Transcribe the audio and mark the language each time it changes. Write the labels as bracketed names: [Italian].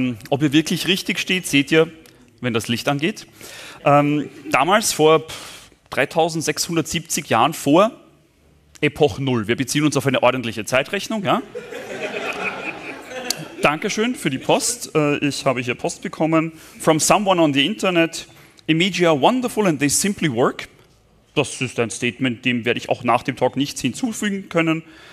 [German] Ob ihr wirklich richtig steht, seht ihr, wenn das Licht angeht. Damals vor 3670 Jahren vor Epoch Null. Wir beziehen uns auf eine ordentliche Zeitrechnung. Ja? Dankeschön für die Post. Ich habe hier Post bekommen. [English] From someone on the internet. Emoji are wonderful and they simply work. [German] Das ist ein Statement, dem werde ich auch nach dem Talk nichts hinzufügen können.